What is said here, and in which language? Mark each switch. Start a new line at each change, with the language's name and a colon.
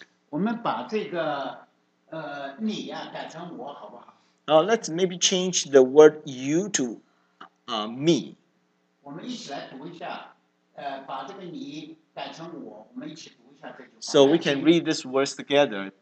Chinese: 我们把这个, 你啊, 改成我好不好?
English: Let's maybe change the word you to me.
Chinese: 我们一起来读一下, 把这个你, 改成我, 我们一起读一下这句话,
English: so we can read this verse together.